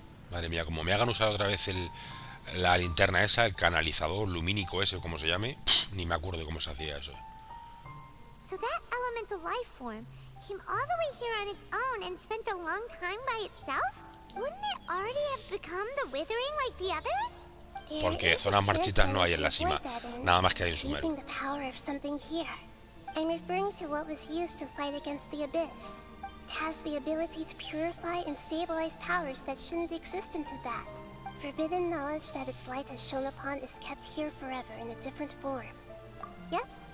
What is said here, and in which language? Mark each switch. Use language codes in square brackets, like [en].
[es] Madre mía, como me hagan usar otra vez la linterna esa, el canalizador lumínico ese, o como se llame, ni me acuerdo de cómo se hacía eso. [en] So that elemental life form came all the way here on its own and spent a long time by itself? Wouldn't it already have become the withering like the others? [es] Porque zonas marchitas no hay en la cima, nada más que hay en Sumer. [en] Using the power of something here. I'm referring to what was used to fight against the abyss. It has the ability to purify and stabilize powers that shouldn't exist in Tibet. Forbidden knowledge that its light has shone upon is kept here forever in a different form. Yep.